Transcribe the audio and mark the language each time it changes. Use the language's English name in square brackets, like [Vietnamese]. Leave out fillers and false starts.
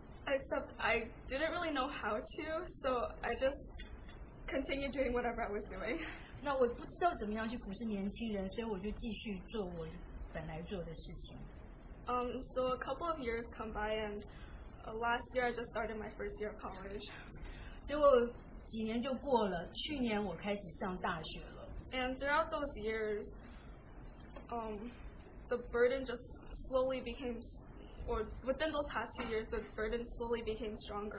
[English] Except I didn't really know how to, so I just continued doing whatever I was doing. [Chinese] 那我不知道怎么样去服侍年轻人，所以我就继续做我本来做的事情。 [English] So a couple of years come by, and last year I just started my first year of college. [Chinese] 结果几年就过了，去年我开始上大学了。 [English] And throughout those years, the burden just slowly became, or within those past 2 years, the burden slowly became stronger.